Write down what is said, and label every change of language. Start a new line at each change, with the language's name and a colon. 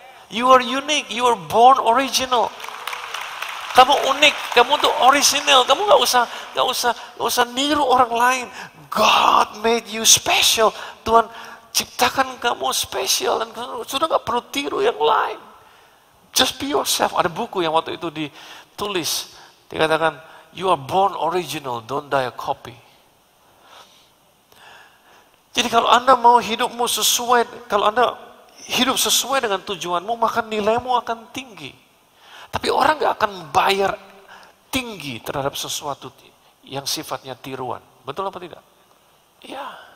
English: You are unique, you are born original.
Indonesian: Kamu unik, kamu tuh original. Kamu gak usah niru orang lain.
English: God made you special.
Indonesian: Tuhan ciptakan kamu special. Dan sudah gak perlu tiru yang lain.
English: Just be yourself.
Indonesian: Ada buku yang waktu itu ditulis. Dikatakan,
English: you are born original, don't die a copy.
Indonesian: Jadi kalau Anda mau hidupmu sesuai, kalau Anda hidup sesuai dengan tujuanmu, maka nilaimu akan tinggi. Tapi orang gak akan bayar tinggi terhadap sesuatu yang sifatnya tiruan. Betul apa tidak? Ya.